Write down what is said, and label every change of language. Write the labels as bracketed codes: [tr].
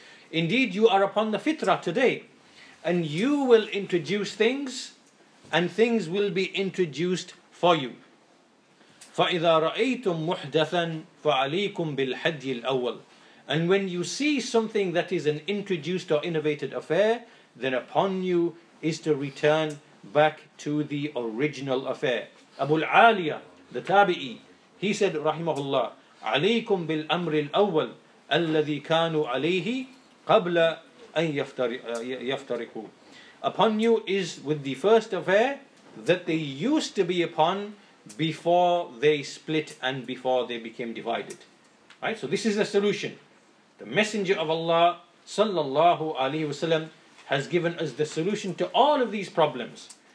[en] Indeed, you are upon the fitrah today, and you will introduce things, and things will be introduced for you. [ar] فَإِذَا رَأَيْتُمْ مُحْدَثًا فَعَلَيْكُمْ بِالْحَدِّ الْأَوَّلِ. [en] And when you see something that is an introduced or innovated affair, then upon you is to return back to the original affair. [ar] Abu al-Aliyah, [en] the Tabi'i, he said, [ar] rahimahullah, عَلَيْكُمْ بِالْأَمْرِ الْأَوَّلِ أَلَّذِي كَانُوا عَلَيْهِ قَبْلَ أَنْ يَفْتَرِكُوا. [en] Upon you is with the first affair that they used to be upon before they split and before they became divided. Right? So this is the solution. The Messenger of Allah, sallallahu alayhi wasallam, has given us the solution to all of these problems.